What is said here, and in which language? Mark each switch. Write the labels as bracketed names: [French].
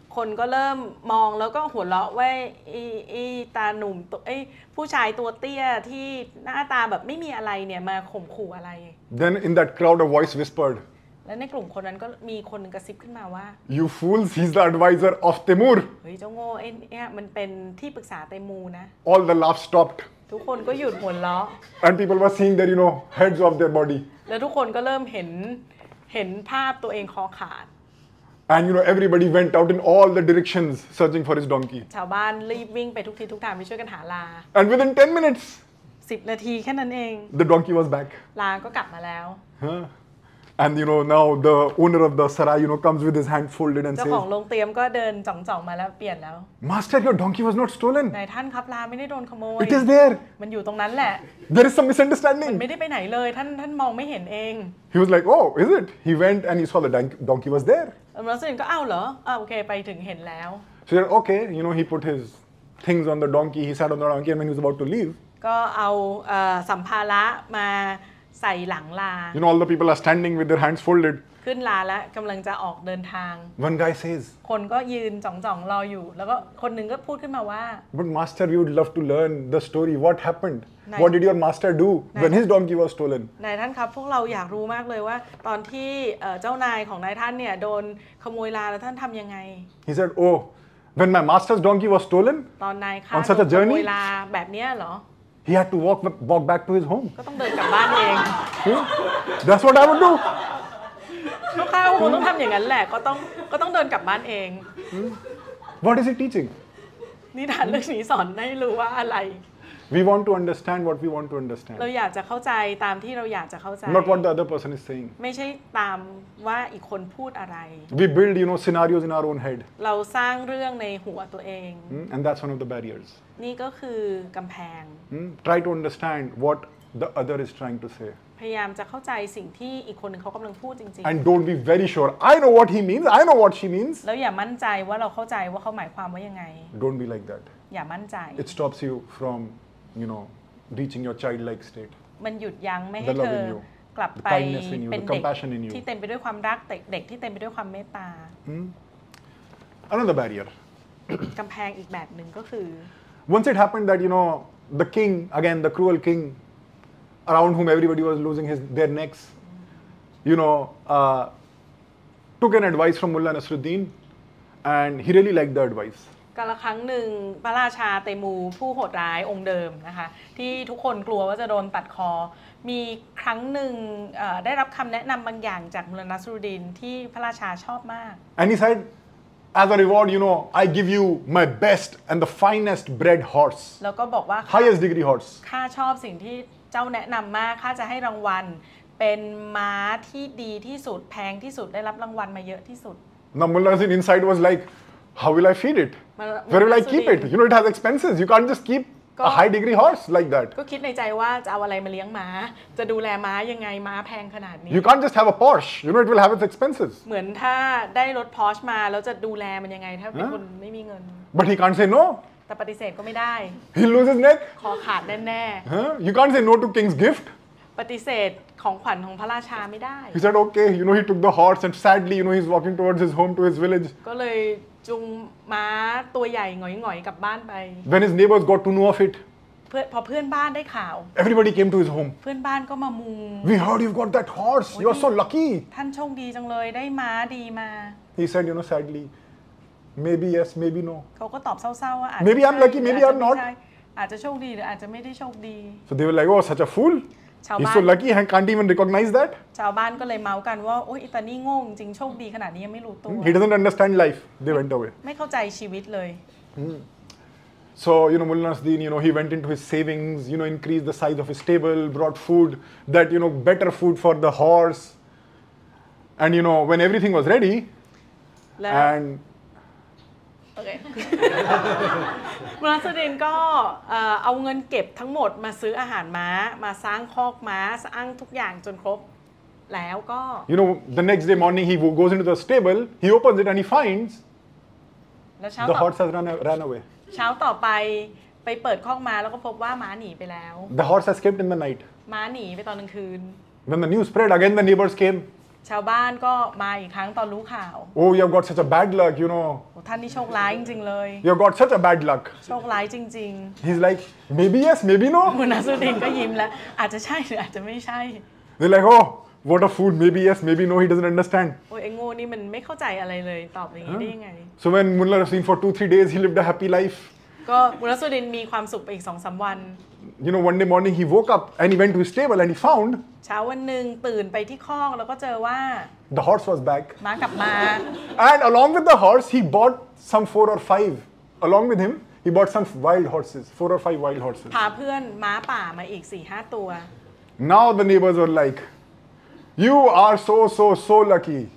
[Thai] คนก็เริ่มมองแล้วก็หัวเราะว่าไอ้ตาหนุ่มไอ้ผู้ชายตัวเตี้ยที่หน้าตาแบบไม่มีอะไรเนี่ยมาข่มขู่อะไร [English] Then in that crowd a voice whispered [Thai] และในกลุ่มคนนั้นก็มีคนนึงกระซิบขึ้นมาว่า [English] You fools he's the advisor of Timur [Thai] เฮ้ยเจ้าโง่เนี่ยมันเป็นที่ปรึกษาเตมูนะ [English] All the laughs stopped [Thai] ทุกคนก็หยุดหัวเราะ [English] And people were seeing their you know heads of their body [Thai] แล้วทุกคนก็เริ่มเห็นภาพตัวเองคอขาด [English] And you know everybody went out in all the directions searching for his donkey [Thai] ชาวบ้านรีบวิ่งไปทุกที่ทุกทางไปช่วยกันหาลา [English] And within 10 minutes [Thai] 10นาทีแค่นั้นเอง [English] The donkey was back [Thai] ลาก็กลับมาแล้ว [English] HuhAnd you know now the owner of the sarai you know comes with his hand folded and says [Thai] เจ้าของโรงเตรียมก็เดินจ่องๆมาแล้วเปลี่ยนแล้ว [English] Master your donkey was not stolen [Thai] นายท่านครับลาไม่ได้โดนขโมย [English] It is there [Thai] มันอยู่ตรงนั้นแหละ [English] There is some misunderstanding [Thai] มันไม่ได้ไปไหนเลยท่านมองไม่เห็นเอง [English] He was like oh is it he went and he saw the donkey was there [Thai] แล้วสิ่งก็อ้าวเหรออ้าวโอเคไปถึงเห็นแล้ว [English] So then, okay you know he put his things on the donkey he sat on the donkey and when he was about to leave [Thai] ก็เอาสัมภาระมาใส่หลังลา [English] You know all the people are standing with their hands folded [Thai] ขึ้นลาแล้วกำลังจะออกเดินทาง [English] One guy says [Thai] คนก็ยืนจ่องๆรออยู่แล้วก็คนหนึ่งก็พูดขึ้นมาว่า [English] But master you would love to learn the story what happened What did your master do when his donkey was stolen [Thai] นายท่านครับพวกเราอยากรู้มากเลยว่าตอนที่เจ้านายของนายท่านเนี่ยโดนขโมยลาแล้วท่านทำยังไง [English] He said oh when my master's donkey was stolen [Thai] ตอนนายข้าขโมยลาแบบเนี้ยเหรอ [English] He had to walk back to his home. [Thai] ก็ต้องเดินกลับบ้านเอง [English] That's what I would do. [Thai] ลูกค้าคงต้องทำอย่างนั้นแหละก็ต้องเดินกลับบ้านเอง [English] What is it teaching? [Thai] นิทานเรื่องนี้สอนให้รู้ว่าอะไร [English] We want to understand what we want to understand. [Thai] เราอยากจะเข้าใจตามที่เราอยากจะเข้าใจ [English] Not what the other person is saying. [Thai] ไม่ใช่ตามว่าอีกคนพูดอะไร [English] We build you know scenarios in our own head. [Thai] เราสร้างเรื่องในหัวตัวเอง [English] And that's one of the barriers. [Thai] นี่ก็คือกำแพง [English] Try to understand what the other is trying to say พ [Thai] พยายามจะเข้าใจสิ่งที่อีกคนนึงเขากำลังพูดจริงๆ [English] and don't be very sure I know what he means I know what she means [Thai] แล้วอย่ามั่นใจว่าเราเข้าใจว่าเขาหมายความว่ายังไง [English] don't be like that [Thai] อย่ามั่นใจ [English] it stops you from you know reaching your childlike state [Thai] มันหยุดยั้งไม่ให้เธอกลับไปเป็ นเด็กที่เต็มไปด้วยความรักเด็กที่เต็มไปด้วยความเมตตา [English] another barrier [Thai] กำแพงอีกแบบนึงก็คือ [English] once it happened that you know the king again the cruel kingaround whom everybody was losing his their necks you know took an advice from Mullah Nasruddin and he really liked the advice [Thai] กาลครั้งหนึ่งพระราชาเตมูผู้โหดร้ายองค์เดิมนะคะที่ทุกคนกลัวว่าจะโดนตัดคอมีครั้งหนึ่งได้รับคำแนะนำบางอย่างจากมุลลานัสรุดดีนที่พระราชาชอบมาก [English] and he said as a reward you know I give you my best and the finest bred horse [Thai] แล้วก็บอกว่า [English] highest degree horse [Thai] ข้าชอบสิ่งที่เจ้าแนะนำมากข้าจะให้รางวัลเป็นม้าที่ดีที่สุดแพงที่สุดได้รับรางวัลมาเยอะที่สุด [English] นัมมุลลาซินอินไซด์ was like how will I feed it where will I keep it you know it has expenses you can't just keep a high degree horse like that [Thai] ก็คิดในใจว่าจะเอาอะไรมาเลี้ยงม้าจะดูแลม้ายังไงม้าแพงขนาดนี้ [English] you can't just have a Porsche you know it will have its expenses [Thai] เหมือนถ้าได้รถ Porsche มาแล้วจะดูแลมันยังไงถ้าเป็นคนไม่มีเงิน [English] but he can't say no [Thai] แต่ปฏิเสธก็ไม่ได้ [English] He loses neck [Thai] คอขาดแน่ๆ [English] Huh You can't say no to king's gift [Thai] ปฏิเสธของขวัญของพระราชาไม่ได้ [English] He said okay you know he took the horse and sadly you know he's walking towards his home to his village [Thai] ก็เลยจุงม้าตัวใหญ่หงอยๆกลับบ้านไป [English] When his neighbors got to know of it [Thai] พอเพื่อนบ้านได้ข่าว [English] Everybody came to his home [Thai] เพื่อนบ้านก็มามุง [English] We heard you've got that horse you're so lucky [Thai] ท่านโชคดีจังเลยได้ม้าดีมา [English] He said you know sadlyMaybe yes, maybe no. [Thai] เขาก็ตอบเศร้าๆว่า [English] Maybe I'm lucky, maybe I'm not. [Thai] อาจจะโชคดีหรืออาจจะไม่ได้โชคดี [English] So they were like, oh, such a fool. He's so lucky, he can't even recognize that. [Thai] ชาวบ้านก็เลยเมากันว่าโอ้ยอีตานี่โง่จริงโชคดีขนาดนี้ยังไม่รู้ตัว [English] He doesn't understand life. They went away. [Thai] ไม่เข้าใจชีวิตเลย [English] So you know, Mullah Nasruddin, you know, he went into his savings, you know, increased the size of his stable, brought food, that you know, better food for the horse, and you know, when everything was ready, and [Thai] โอเคมาสเดนก็เอาเงินเก็บทั้งหมดมาซื้ออาหารม้ามาสร้างคอกม้าสร้างทุกอย่างจนครบแล้วก็ [English] You know the next day morning he goes into the stable he opens it and he finds the horse has run away [Thai] เช้าต่อไปเปิดคอกม้าแล้วก็พบว่าม้าหนีไปแล้ว [English] The horse has escaped in the night [Thai] ม้าหนีไปตอนกลางคืน [English] When the news spread again the neighbors came [Thai] ชาวบ้านก็มาอีกครั้งตอนรู้ข่าว [English] Oh you've got such a bad luck you know [Thai] ท่านนี่โชคร้ายจริงๆเลย [English] You've got such a bad luck [Thai] โชคร้ายจริง [English] ๆ He's like maybe yes maybe no [Thai] มุนาสุดินก็ยิ้มแล้วอาจจะใช่หรืออาจจะไม่ใช่ [English] They're like oh what a fool maybe yes maybe no he doesn't understand [Thai] โอ้ยไอ้โง่นี่มันไม่เข้าใจอะไรเลยตอบอย่างนี้ได้ยังไง [English] So when Mullah Nasruddin for 2-3 days he lived a happy life [Thai] ก็มุนาสุดินมีความสุขไปอีก 2-3 วัน [English] You know, one day morning he woke up and he went to his stable and he found. [Thai] เช้าวันหนึ่งตื่นไปที่คอกแล้วก็เจอว่า [English] The horse was back. [Thai] ม้ากลับมา [English] And along with the horse he bought some 4 or 5. Along with him he bought some wild horses, 4 or 5 wild horses. [Thai] พาเพื่อนม้าป่ามาอีก 4-5 ตัว [English] Now the neighbors were like, you are so lucky.